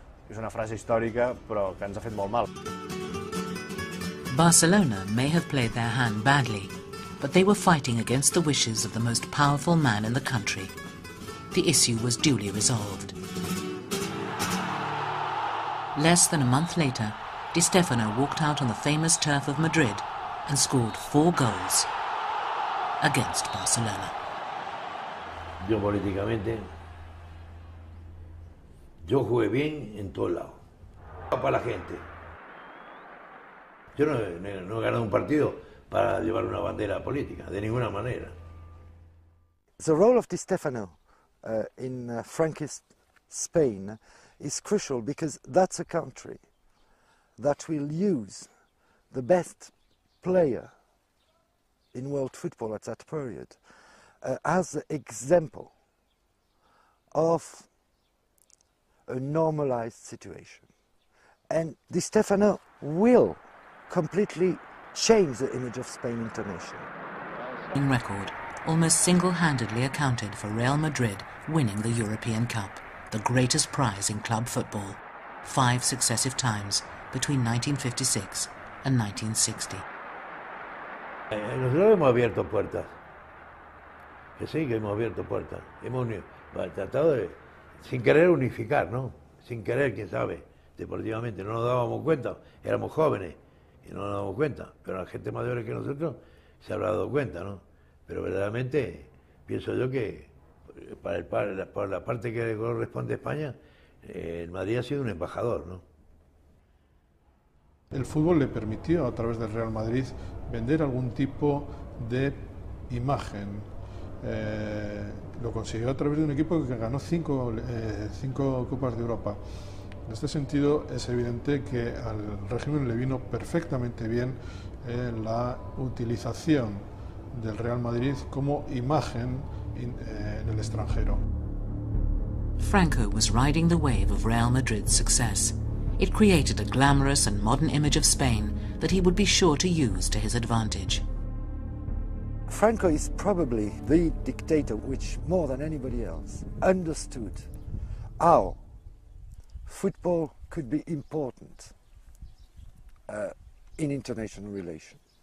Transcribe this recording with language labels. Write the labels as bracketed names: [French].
[Catalan] És una frase històrica, però que ens ha fet molt mal. [English] Barcelona may have played their hand badly, but they were fighting against the wishes of the most powerful man in the country. The issue was duly resolved. Less than a month later, Di Stefano walked out on the famous turf of Madrid and scored 4 goals against Barcelona. [Spanish] Yo políticamente, yo jugué bien en todos lados. Para la gente. Yo no he ganado un partido para llevar una bandera política, de ninguna manera. [English] The role of Di Stefano in Franquist Spain is crucial because that's a country that will use the best player in world football at that period as an example of a normalized situation. And Di Stefano will completely change the image of Spain internationally. In record, almost single-handedly accounted for Real Madrid winning the European Cup, the greatest prize in club football, 5 successive times between 1956 and 1960. [Spanish] Nosotros hemos abierto puertas. Que sí, que hemos abierto puertas. Hemos tratado de, sin querer, unificar, ¿no? Sin querer, quién sabe, deportivamente. No nos dábamos cuenta, éramos jóvenes. Y no nos damos cuenta, pero la gente mayor que nosotros se habrá dado cuenta, ¿no? Pero verdaderamente pienso yo que para la parte que corresponde a España, el Madrid ha sido un embajador, ¿no? El fútbol le permitió a través del Real Madrid vender algún tipo de imagen. Lo consiguió a través de un equipo que ganó 5 Copas de Europa. En este sentido, es evidente que al régimen le vino perfectamente bien la utilización del Real Madrid como imagen en el extranjero. [English] Franco was riding the wave of Real Madrid's success. It created a glamorous and modern image of Spain that he would be sure to use to his advantage. Franco is probably the dictator which, more than anybody else, understood how football could be important in international relations.